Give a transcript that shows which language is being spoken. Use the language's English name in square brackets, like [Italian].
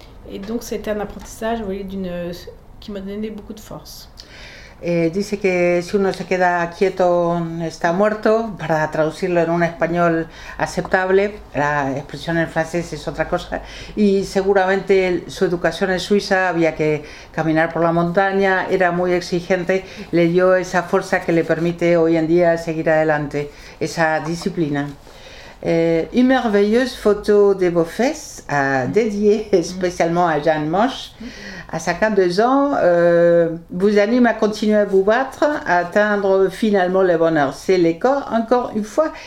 [French] Et donc c'était un apprentissage qui m'a donné beaucoup de force. [Spanish] Dice que si uno se queda quieto está muerto, para traducirlo en un español aceptable, la expresión en francés es otra cosa, y seguramente su educación en Suiza, había que caminar por la montaña, era muy exigente, le dio esa fuerza que le permite hoy en día seguir adelante, esa disciplina. [French] Une merveilleuse photo de vos fesses à dédier spécialement à Jeanne Moche. À 52 ans, vous anime à continuer à vous battre, à atteindre finalement le bonheur. C'est le corps, encore une fois.